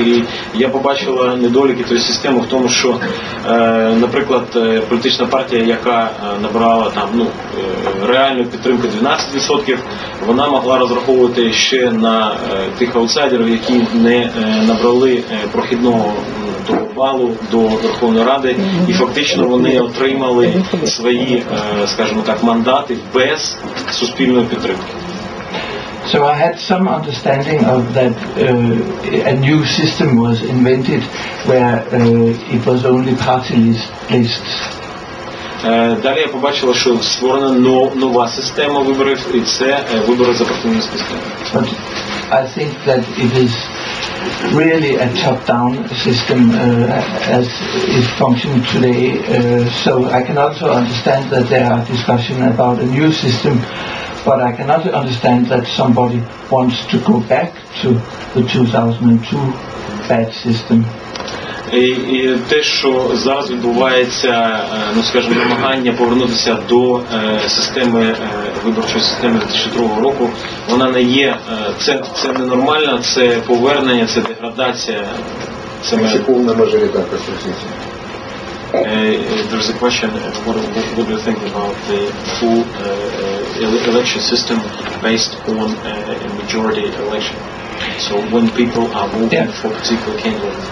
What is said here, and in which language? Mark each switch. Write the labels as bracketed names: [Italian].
[Ukrainian] І я побачила недоліки тої системи в тому, що, наприклад, політична партія, яка набрала там реальну підтримку 12%, вона могла розраховувати ще на тих аутсайдерів, які не набрали прохідного балу до Верховної Ради, і фактично вони отримали свої, скажімо так, мандати без суспільної підтримки. [English] So I had some understanding of that a new system was invented where it was only party lists. [Ukrainian] Далі я побачила, що створена нова система виборів, і це вибори за партійною системою. [English] I think that it is really a top-down system as is functioning today. So I can also understand that there are discussion about a new system. But I cannot understand that somebody wants to go back to the 2002 bad system. [Ukrainian] І те, що зараз відбувається, намагання повернутися до системи виборчої системи 2002 року, вона не є, це не нормально, це повернення, це деградація. Це повна мажоритарка ситуація. [English] There's a question, what do you think about the full election system based on a majority election? So when people are voting for a particular candidate.